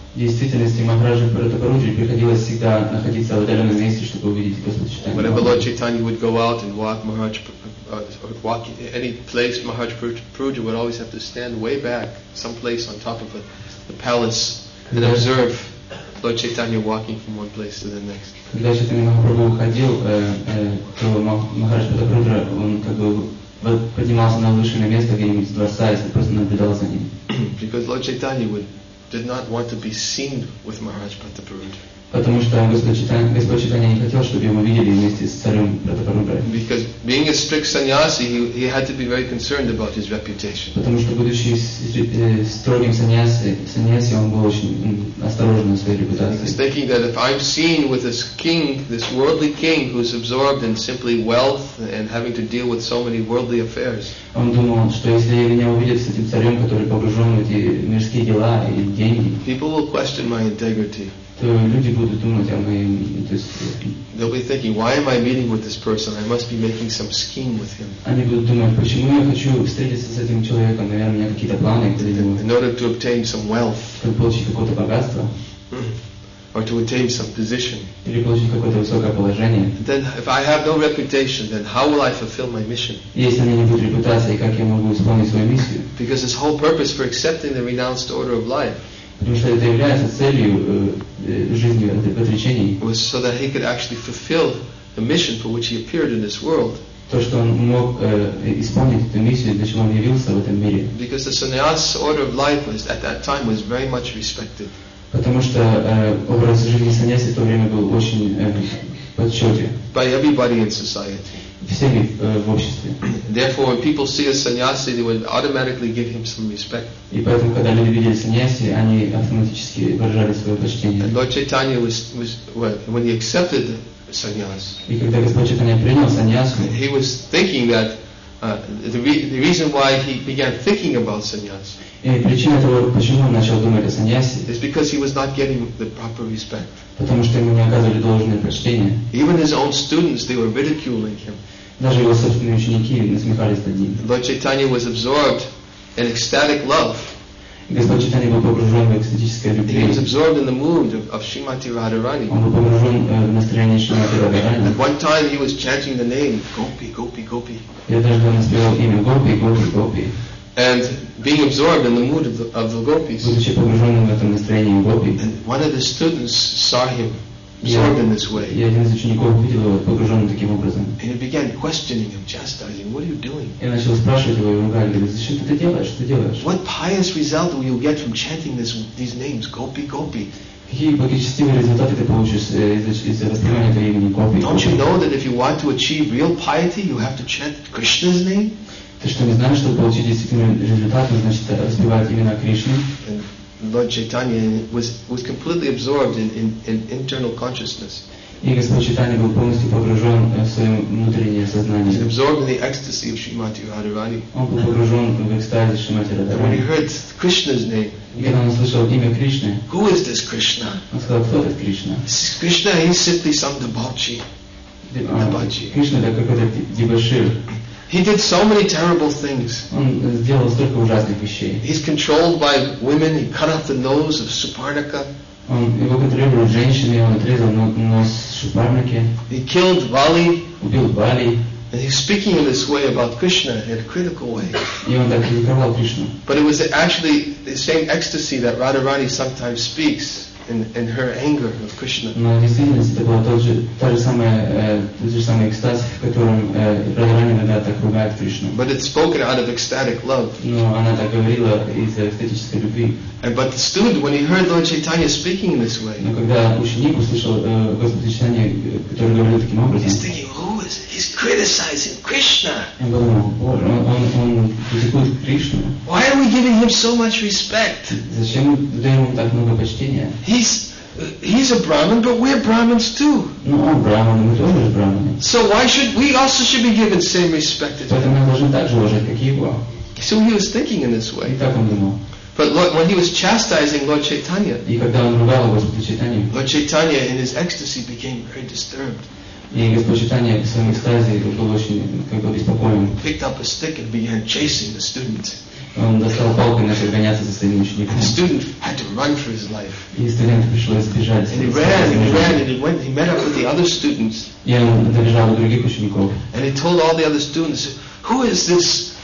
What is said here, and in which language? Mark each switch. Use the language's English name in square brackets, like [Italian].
[Russian] В действительности Махараджа Прадабрудре приходилось всегда находиться в отдаленном месте, чтобы увидеть Господа Чайтанью. [English] Whenever Lord Chaitanya would go out and walk, walk in any place, Maharaja Prataparudra would always have to stand way back, some place on top of the palace, and observe Lord Chaitanya walking from one place to the next. [Russian] Когда Чайтанья Махапрабху уходил, то Махараджа Прадабрудра, он как бы поднимался на высшее место где-нибудь с дворца и просто наблюдал за ним. [English] Because Lord Chaitanya did not want to be seen with Maharaj Prataparudra. [Russian] Потому что Господь Чайтанья не хотел, чтобы его видели вместе с царем Прадабрудрой. [English] Because being a strict sannyasi, he had to be very concerned about his reputation. [Russian] Потому что будучи строгим sannyasi, он был очень осторожен в своей репутации. [English] He's thinking that if I'm seen with this king, this worldly king, who's absorbed in simply wealth and having to deal with so many worldly affairs. [Russian] Он думал, что если меня увидят с этим царем, который погружен в эти мирские дела и деньги. [English] People will question my integrity. [Russian] То люди будут думать о моем, то есть. [English] They'll be thinking, why am I meeting with this person? I must be making some scheme with him. [Russian] Они будут думать, почему я хочу встретиться с этим человеком? Наверное, у меня какие-то планы. [English] In order to obtain some wealth. [Russian] Чтобы получить какое-то богатство. [English] Or or to attain some position, [Russian] или получить какое-то высокое положение, [English] then if I have no reputation, then how will I fulfill my mission? [Russian] Если у меня не будет репутации, как я могу исполнить свою миссию? [English] Because its whole purpose for accepting the renounced order of life, [Russian] потому что это является целью жизни в отречении, [English] was so that he could actually fulfill the mission for which he appeared in this world. [Russian] То, что он мог исполнить эту миссию, для чего он явился в этом мире. [English] Because the sannyas order of life was at that time was very much respected. [Russian] Потому что образ жизни саньяси в то время был очень почетен. [English] By everybody in society. [Russian] Всеми в обществе. [English] Therefore, when people see a sannyasi, they would automatically give him some respect. [Russian] И поэтому, когда люди видели саньяси, они автоматически выражали свое почтение. [English] And Lord Chaitanya when he accepted sannyas. [Russian] И когда Господь Чайтанья принял саньясу, [English] he was thinking that the reason why he began thinking about sannyas. [Russian] И причина того, почему он начал думать о саньясе, [English] is because he was not getting the proper respect. [Russian] Потому что ему не оказывали должное почтение. [English] Even his own students, they were ridiculing him. [Russian] Даже его собственные ученики насмехались над ним. [English] Lord Chaitanya was absorbed in ecstatic love. [Russian] Господь Чайтанья был погружен в экстатическое любви. [English] He was absorbed in the mood of Srimati Radharani. [Russian] Он был погружен в настроение Шримати Радхарани. [English] At one time he was chanting the name Gopi, Gopi, Gopi. [Russian] И однажды он спел имя Гопи, Гопи, Гопи. [English] And being absorbed in the mood of the gopis. [Russian] Будучи погруженным в этом настроении гопи. [English] And one of the students saw him absorbed in this way. [Russian] И один из учеников увидел его погруженным таким образом. [English] And he began questioning him, chastising, "What are you doing?" [Russian] И начал спрашивать его и ругать его, "Зачем ты это делаешь? Что ты делаешь?" [English] What pious result will you get from chanting these names, gopi, gopi? [Russian] Какие благочестивые результаты ты получишь из воспевания этого имени гопи? [English] Don't you know that if you want to achieve real piety, you have to chant Krishna's name? [Russian] Ты что, не знаешь, чтобы получить действительный результат, значит, разбивать имена Кришны? [English] And Lord Chaitanya was completely absorbed in internal consciousness. [Russian] И Господь Чайтанья был полностью погружен в свое внутреннее сознание. [English] He was absorbed in the ecstasy of Srimati Radharani. [Russian] Он был погружен в экстазе Шримати Радхарани. [English] When he heard Krishna's name, [Russian] когда он услышал имя Кришны, [English] who is this Krishna? [Russian] Он сказал, кто этот Кришна? [English] Krishna is simply some debauchee. [Russian] Кришна это какой-то дебошир. [English] He did so many terrible things. [Russian] Он сделал столько ужасных вещей. [English] He's controlled by women. He cut off the nose of Suparnaka. [Russian] Он его контролировал женщины. Он отрезал нос Шупарнаки. [English] He killed Vali. [Russian] Убил Вали. [English] And he's speaking in this way about Krishna in a critical way. [Russian] И он так критиковал Кришну. [English] But it was actually the same ecstasy that Radharani sometimes speaks in her anger of Krishna. [Russian] Но в действительности это была та же самая экстаз, в котором Радхарани иногда так ругает Кришну. [English] But it's spoken out of ecstatic love. [Russian] Но она так говорила из эстетической любви. [English] But the student, when he heard Lord Chaitanya speaking in this way, [Russian] но когда ученик услышал Господа Чайтанью, который говорил таким образом, [English] he's thinking, who is it? He's criticizing Krishna. [Russian] Я подумал, боже, он критикует Кришну. [English] Why are we giving him so much respect? [Russian] Зачем мы даем ему так много почтения? [English] He's a Brahmin, but we're Brahmins too. [Russian] Ну, он Брахман, мы тоже Брахманы. [English] So why should we also should be given the same respect as him? [Russian] Поэтому мы должны также уважать, как его. [English] So he was thinking in this way. [Russian] И так он думал. [English] But Lord, when he was chastising Lord Chaitanya, [Russian] и когда он ругал Господа Чайтанью, [English] Lord Chaitanya in his ecstasy became very disturbed. [Russian] И Господь Чайтанья в своем экстазе был очень как бы беспокоен. [English] Picked up a stick and began chasing the student. [Russian] Он достал палку и начал гоняться за своим учеником. [English] The student had to run for his life. [Russian] И студент пришлось бежать. [English] And he ran, and he went. He met up with the other students. [Russian] И он добежал до других учеников. [English] And he told all the other students, "Who is this?